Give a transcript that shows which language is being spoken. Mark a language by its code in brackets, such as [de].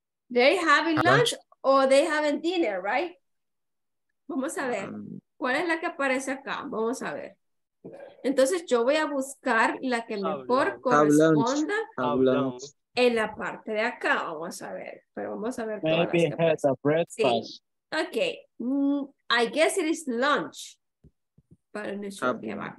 [en] They having lunch or they having dinner, right? [es] Vamos a ver. ¿Cuál es la que aparece acá? Vamos a ver. Entonces yo voy a buscar la que mejor corresponda en la parte de acá, vamos a ver, pero vamos a ver. [en] Maybe has a breakfast. Sí. Okay, I guess it is lunch, but no should be a bar.